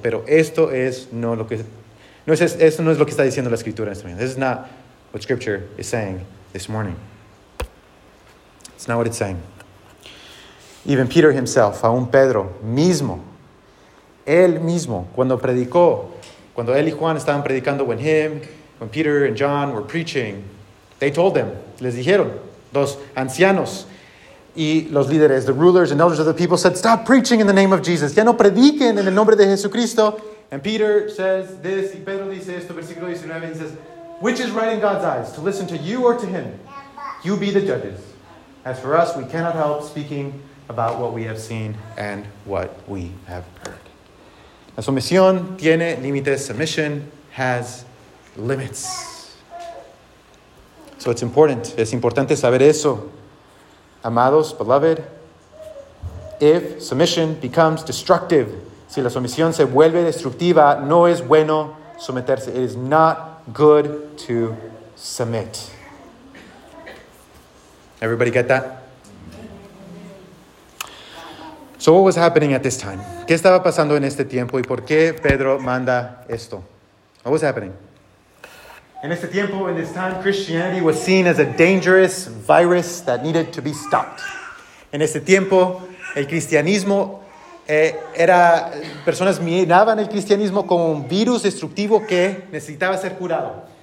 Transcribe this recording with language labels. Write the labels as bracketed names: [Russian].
[Spanish] Pero esto es no lo que, no es, esto no es lo que está diciendo la Escritura. [English] This is not what Scripture is saying this morning. It's not what it's saying. Even Peter himself, [Spanish] aún Pedro mismo, él mismo, cuando predicó, cuando él y Juan estaban predicando, [English] when Peter and John were preaching, they told them, [Spanish] les dijeron, los ancianos, y los líderes, [English] the rulers and elders of the people said, stop preaching in the name of Jesus. [Spanish] Ya no prediquen en el nombre de Jesucristo. [English] And Peter says this, [Spanish] y Pedro dice esto, versículo 19, [English] he says, which is right in God's eyes, to listen to you or to him? You be the judges. As for us, we cannot help speaking about what we have seen and what we have heard. [Spanish] La sumisión tiene límites. [English] Submission has limits. So it's important. [Spanish] Es importante saber eso. Amados, beloved, [English] if submission becomes destructive, [Spanish] si la sumisión se vuelve destructiva, no es bueno someterse. [English] It is not good to submit. Everybody get that? So what was happening at this time? [Spanish] ¿Qué estaba pasando en este tiempo y por qué Pedro manda esto? [English] What was happening? [Spanish] En este tiempo, [English] in this time, Christianity was seen as a dangerous virus that needed to be stopped. [Spanish] En este tiempo, el cristianismo era, personas miraban el cristianismo como un virus destructivo que necesitaba ser curado.